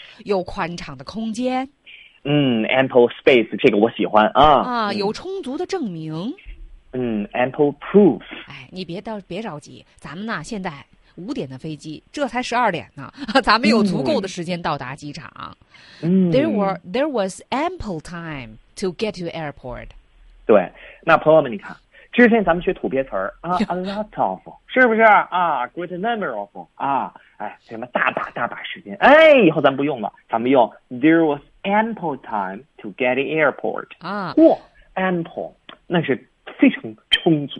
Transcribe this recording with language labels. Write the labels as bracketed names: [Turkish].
[Chinese] 有宽敞的空间。嗯 ， [English] ample space， [Chinese] 这个我喜欢啊。啊，有充足的证明。 [English] 嗯 ，ample proof。 [Chinese] 哎，你别着急，咱们呢现在5点的飞机，这才12点呢，咱们有足够的时间到达机场。嗯 [English] ，there was ample time to get to airport。 [Chinese] 对，那朋友们，你看。之前咱们学土鳖词儿啊 ， [English] a lot of， [Chinese] 是不是啊 ？ [English] great number of， [Chinese] 啊，哎，什么大把大把时间，哎，以后咱不用了，咱们用 [English] there was ample time to get the airport 啊， [Chinese] 哇 ，ample， 那是非常充足，